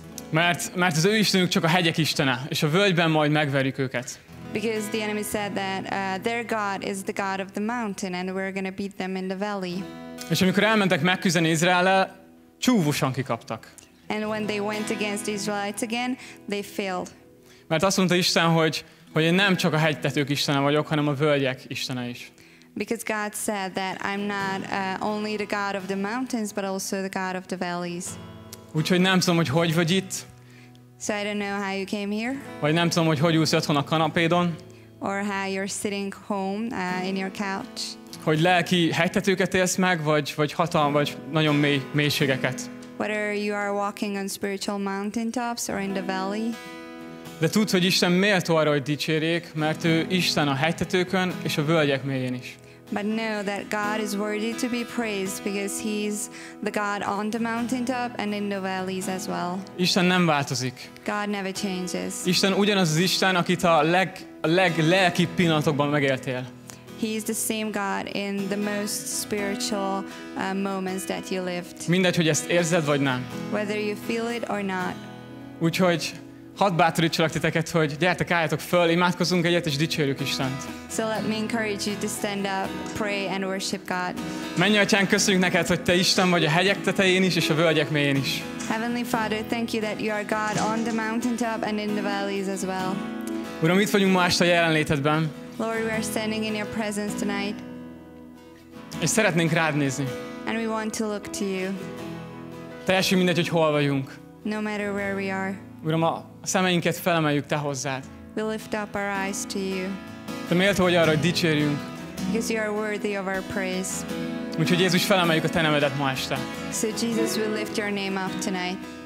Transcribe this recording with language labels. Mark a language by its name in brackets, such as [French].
[Hungarian] Mert az ő istenük csak a hegyek istene, és a völgyben majd megverjük őket. [English] Because the enemy said that their god is the god of the mountain, and we're gonna beat them in the valley. [Hungarian] És amikor elmentek megküzdeni Izraellel, csúfosan kikaptak. [English] And when they went against the Israelites again, they failed. [Hungarian] Mert azt mondta Isten, hogy én nem csak a hegytetők istene vagyok, hanem a völgyek istene is. [English] Because God said that I'm not only the God of the mountains, but also the God of the valleys. [Hungarian] Úgyhogy nem tudom, hogy hogy vagy itt. [English] So I don't know how you came here. [Hungarian] Vagy nem tudom, hogy ülsz otthon a kanapédon. [English] Or how you're sitting home in your couch. [Hungarian] Hogy lelki hegytetőket élsz meg, vagy hatalmas, vagy nagyon mély mélységeket. [English] Whether you are walking on spiritual mountaintops or in the valley. [Hungarian] De tudd, hogy Isten méltó arra, hogy dicsérjék, mert ő Isten a hegytetőkön és a völgyek mélyén is. [English] But know that God is worthy to be praised because he is the God on the mountaintop and in the valleys as well. [Hungarian] Isten nem változik. [English] God never changes. [Hungarian] Isten ugyanaz az Isten, akit a leglelkibb pillanatokban megéltél. [English] He is the same God in the most spiritual moments that you lived. [Hungarian] Mindegy, hogy ezt érzed vagy nem. [English] Whether you feel it or not. [Hungarian] Úgyhogy hadd bátorítsalak titeket, hogy gyertek, álljatok föl, imádkozunk egyet és dicsérjük Istent. [English] So let me encourage you to stand up, pray and worship God. [Hungarian] Mennyi Atyán, köszönjük neked, hogy te Isten vagy a hegyek tetején is és a völgyek mélyén is. [English] Heavenly Father, thank you that you are God on the mountaintop and in the valleys as well. [Hungarian] Uram, itt vagyunk ma este a jelenlétedben. [English] Lord, we are standing in your presence tonight. [Hungarian] És szeretnénk rád nézni. [English] And we want to look to you. [Hungarian] Teljesen mindegy, hogy hol vagyunk. [English] No matter where we are. [Hungarian] Uram, a szemeinket felemeljük te hozzád. [English] We lift up our eyes to you. [Hungarian] Te méltó vagy arra, hogy dicsérjünk. [English] Because you are worthy of our praise. [Hungarian] Úgyhogy Jézus, felemeljük a te nevedet ma este. [English] So Jesus, we lift your name up tonight.